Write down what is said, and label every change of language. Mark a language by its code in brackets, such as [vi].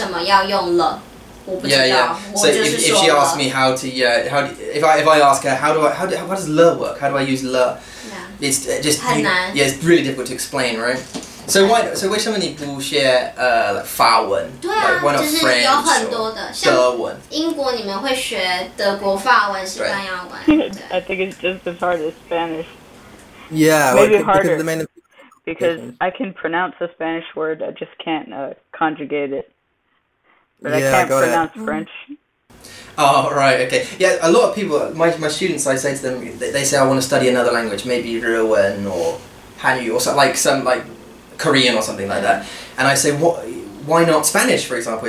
[zh] 就是感觉，语感，我们说那是语感，就是语言的感觉，跟中文一样。来，你问我为什么要用了，我不知道，我就是说了。 [en] So if she asks me how to, how does le work? How do I use le? Yeah. It's just [zh] 很难. [en] Yeah, it's really difficult to explain, right? So [zh] 为什么你不学 法文? 对啊，就是有很多的德文。英国你们会学德国法文、西班牙文。 [en] I think it's just as hard as Spanish. Yeah, maybe harder. Because I can pronounce a Spanish word, I just can't conjugate it. But yeah, I can't got pronounce it. French. Oh, right, okay. Yeah, a lot of people, my students, I say to them, they say I want to study another language, maybe Ruwen or Hanyu or something, like some, like, Korean or something like that, and I say, why not Spanish, for example?